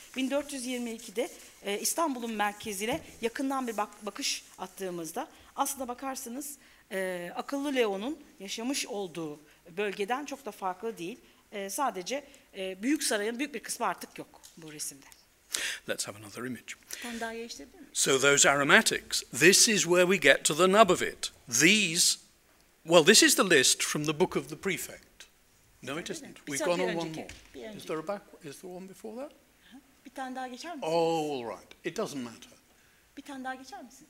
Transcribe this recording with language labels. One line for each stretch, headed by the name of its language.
Turkish: 1422'de İstanbul'un merkezine yakından bir bakış attığımızda aslında bakarsanız Akıllı Leo'nun yaşamış olduğu bölgeden çok da farklı değil. Sadece büyük sarayın büyük bir kısmı artık yok bu resimde.
English: Let's have another image. So those aromatics, this is where we get to the nub of it. This is the list from the book of the prefect. No, it isn't. We've gone on one more. Is there one before that?
Turkish: Bir tane daha geçer misin?
English: Oh, all right. It doesn't matter.
Turkish: Bir tane daha geçer misin?